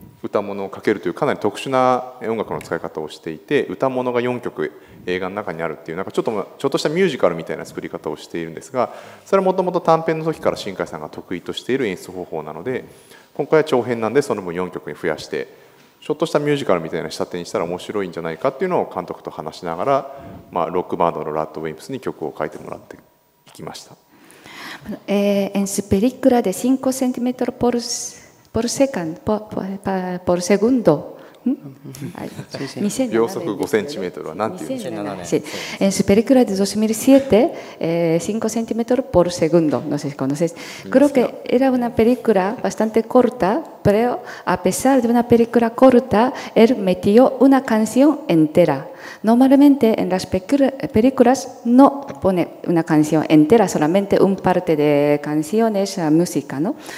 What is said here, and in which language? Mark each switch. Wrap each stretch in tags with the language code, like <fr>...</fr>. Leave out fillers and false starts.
<ja>歌物をかけるというかなり特殊な音楽の使い方をしていて、歌物が4曲映画の中にあるっていうなんかちょっとしたミュージカルみたいな作り方をしているんですが、それはもともと短編の時から新海さんが得意としている演出方法なので、今回は長編なんでその分4曲に増やして、ちょっとしたミュージカルみたいな仕立てにしたら面白いんじゃないかっていうのを監督と話しながら、まあ、ロックバンドのラッドウィンプスに曲を書いてもらっていきました。</ja> <es>En su película de 5 centímetros por segundo, por segundo.</es> <ja>秒速5センチメートルは何て言うんですか</ja> <es>？Sí. En su película de 2007, 5 centímetros por segundo. No sé si conoces. Creo que era una película bastante corta. Pero a pesar de una película corta, él metió una canción entera. Normalmente en las películas no pone una canción entera, solamente un parte de canciones, música, ¿no?</es>